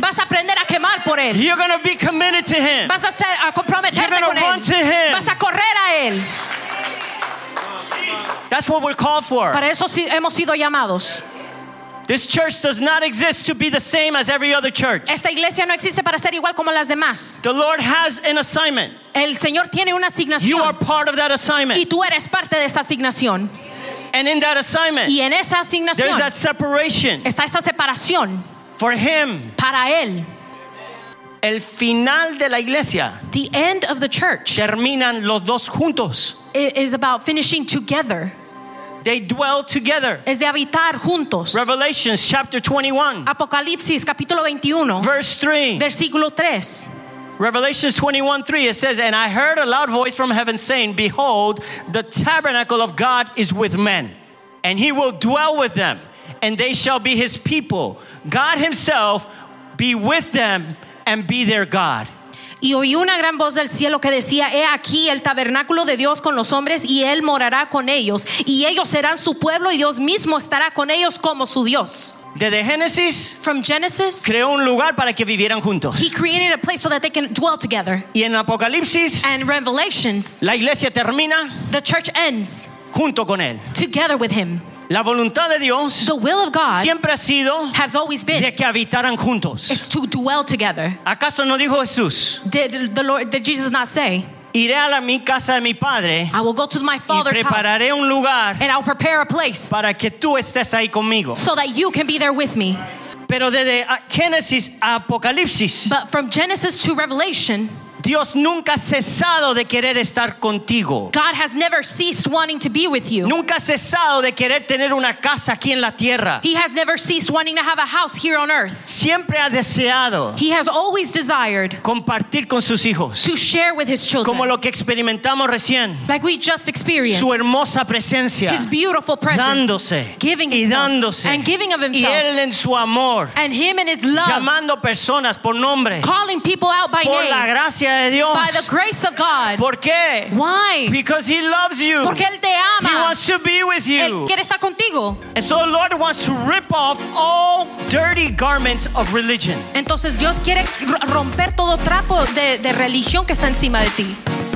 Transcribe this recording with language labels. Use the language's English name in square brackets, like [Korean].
[Spanish] Vas a aprender a quemar por él. [English] You're going to be committed to him. [Spanish] Vas a ser, a comprometerte [English] you're going to Run to him. [Spanish] Vas a correr a él. [English] That's what we're called for. [Spanish] Para eso sí, hemos sido llamados. [English] This church does not exist to be the same as every other church. [Spanish] Esta iglesia no existe para ser igual como las demás. [English] The Lord has an assignment. [Spanish] El Señor tiene una asignación. [English] You are part of that assignment. [Spanish] Y tú eres parte de esa asignación. [English] And in that assignment, [Spanish] y en esa asignación, [English] there's that separation. [Spanish] Está esa separación. [English] For him. [Spanish] Para él. El final de la iglesia. [English] The end of the church. [Spanish] Terminan los dos juntos. [English] It is about finishing together. They dwell together. [Spanish] Es de habitar juntos. [English] Revelation chapter 21. [Spanish] Apocalipsis capítulo 21. [English] Verse 3. [Spanish] Versículo 3. [English] Revelation 21:3, it says, and I heard a loud voice from heaven saying, behold, the tabernacle of God is with men, and he will dwell with them, and they shall be his people. God himself be with them and be their God. [Spanish] Y oí una gran voz del cielo que decía, he aquí el tabernáculo de Dios con los hombres, y él morará con ellos, y ellos serán su pueblo, y Dios mismo estará con ellos como su Dios. Desde Génesis, [English] from Genesis, [Spanish] creó un lugar para que vivieran juntos. [English] He created a place so that they can dwell together. [Spanish] Y en Apocalipsis, [English] and Revelations, [Spanish] la iglesia termina, [English] the church ends, [Spanish] junto con él. [English] Together with him. [Spanish] La voluntad de Dios, [English] the will of God, [Spanish] siempre ha sido, [English] has always been, [Spanish] de que habitaran juntos. [English] Is to dwell together. [Spanish] ¿Acaso no dijo Jesús? [English] Did Jesus not say? [Spanish] Iré a la mi casa de mi padre. [English] I will go to my father's [Spanish] house. Y prepararé un lugar. [English] And I'll prepare a place. [Spanish] Para que tú estés ahí conmigo. [English] So that you can be there with me. [Spanish] Pero desde Génesis a Apocalipsis. [English] But from Genesis to Revelation. [Spanish] Dios nunca ha cesado de querer estar contigo. [English] God has never ceased wanting to be with you. [Spanish] Nunca ha cesado de querer tener una casa aquí en la tierra. [English] He has never ceased wanting to have a house here on earth. [Spanish] Siempre ha deseado. [English] He has always desired. [Spanish] Compartir con sus hijos. [English] To share with his children. [Spanish] Como lo que experimentamos recién. [English] Like we just experienced. [Spanish] Su hermosa presencia. [English] His beautiful presence. [Spanish] Dándose. [English] Giving [Spanish] y dándose. [English] And giving of himself. [Spanish] Y él en su amor. [English] And him in his love. [Spanish] Llamando personas por nombre. [English] Calling people out by [Spanish] por [English] name. [Spanish] Por la gracia. [English] By the grace of God. [Spanish] ¿Por qué? [English] Why? Because he loves you. [Spanish] Porque él te ama. [English] He wants to be with you. [Spanish] Él quiere estar contigo. [English] And so the Lord wants to rip off all dirty garments of religion. [Spanish] Entonces Dios quiere romper todo trapo de religión que está encima de ti.